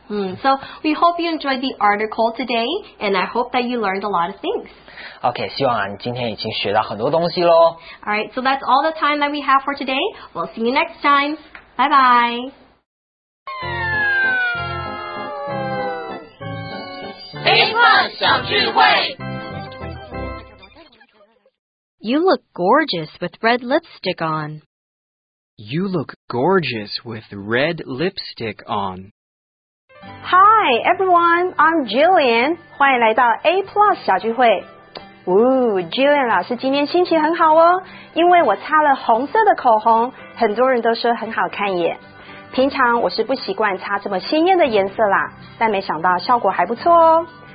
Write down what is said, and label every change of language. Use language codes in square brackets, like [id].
[en] So we hope you enjoyed the article today and I hope that you learned a lot of things [zh] OK, 希望、你今天已经学到很多东西喽 [en] Alright, so that's all the time that we have for today We'll see you next time, bye bye You look gorgeous with red lipstick on. You look gorgeous with red lipstick on. Hi, everyone. I'm Jillian. [zh] 欢迎来到 A Plus 小聚会。Jillian 老师今天心情很好哦，因为我擦了红色的口红，很多人都说很好看耶。平常我是不习惯擦这么鲜艳的颜色啦，但没想到效果还不错哦。